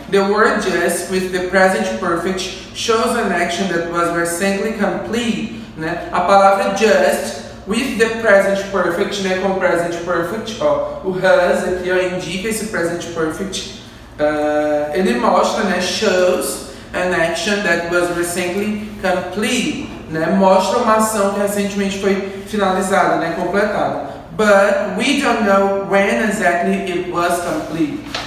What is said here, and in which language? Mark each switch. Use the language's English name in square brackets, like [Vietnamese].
[English] The word yes with the present perfect shows an action that was recently complete. Né? [Portuguese] A palavra just [English] with the present perfect, [Portuguese] né? Com o present perfect, ó, o has aqui, ó, indica esse present perfect. Ele mostra, né? [English] Shows an action that was recently complete, né? [Portuguese] Mostra uma ação que recentemente foi finalizada, né? Completada. [English] But we don't know when exactly it was complete.